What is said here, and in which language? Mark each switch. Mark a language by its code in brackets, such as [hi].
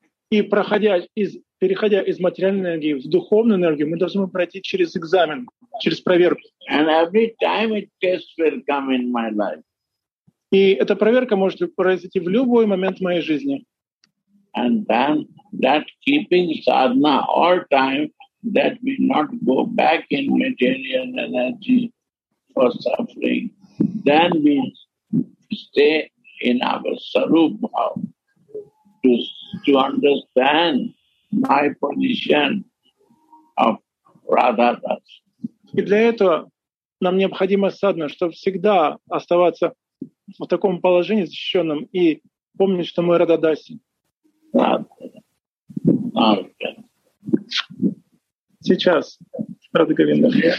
[ru] И переходя из материальной энергии в духовную энергию, мы должны пройти через экзамен, через проверку. [en] And every time a test will come in my life. [ru] И эта проверка может произойти в любой момент моей жизни. [en] And then that keeping sadhana all time, that we not go back in material energy for suffering, then we stay in our sarup bhav to understand my position of Radha Das. [ru] И для этого нам необходимо sadhana, чтобы всегда оставаться в таком положении защищенном и помнить, что мы Radha Dasi. Сейчас, Рада Говинда.